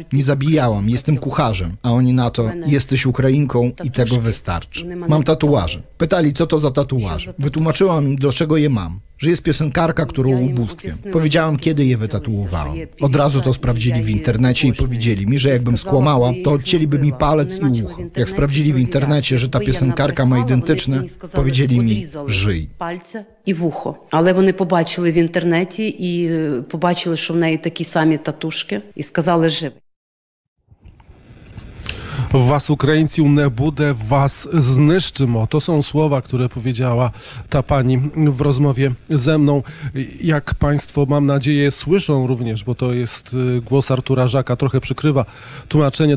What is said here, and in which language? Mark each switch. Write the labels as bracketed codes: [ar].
[pl] Nie zabijałam, jestem kucharzem. A oni na to, jesteś Ukrainką i tego wystarczy. Mam tatuaże. Pytali, co to za tatuaże. Wytłumaczyłam im, dlaczego je mam. że jest piosenkarka, którą ubóstwię. Powiedziałam, kiedy je wytatuowałam. Od razu to sprawdzili w internecie i powiedzieli mi, że jakbym skłamała, to odcięliby mi palec i ucho. Jak sprawdzili w internecie, że ta piosenkarka ma identyczne, powiedzieli mi, żyj. [uk] І в ухо. Але вони побачили в інтернеті і побачили, що в неї такі самі татушки, і сказали живи. [pl] Was, Ukraińcy, nie budę, was zniszczymy. To są słowa, które powiedziała ta pani w rozmowie ze mną. Jak państwo, mam nadzieję, słyszą również, bo to jest głos Artura Żaka, trochę przykrywa tłumaczenie.